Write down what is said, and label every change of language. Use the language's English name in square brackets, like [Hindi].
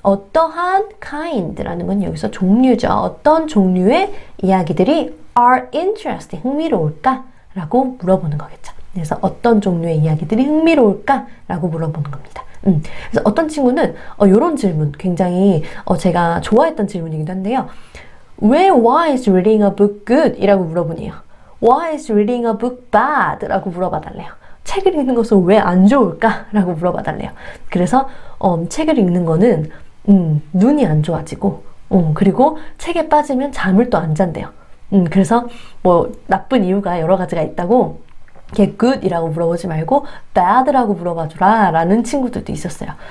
[Korean] 어떠한 kind라는 건 여기서 종류죠. 어떤 종류의 이야기들이 [English] are interesting, [Korean] 흥미로울까? 라고 물어보는 거겠죠. 그래서 어떤 종류의 이야기들이 흥미로울까? 라고 물어보는 겁니다. 그래서 어떤 친구는 이런 질문, 굉장히 제가 좋아했던 질문이기도 한데요. [English] Why is reading a book good? [Korean] 이라고 물어보네요. [English] Why is reading a book bad? [Korean] 라고 물어봐 달래요. 책을 읽는 것은 왜안 좋을까? 라고 물어봐 달래요. 그래서 책을 읽는 거는 눈이 안 좋아지고, 그리고 책에 빠지면 잠을 또안 잔대요. 그래서 뭐 나쁜 이유가 여러 가지가 있다고 게 good이라고 물어보지 말고 bad라고 물어봐 주라 라는 친구들도 있었어요.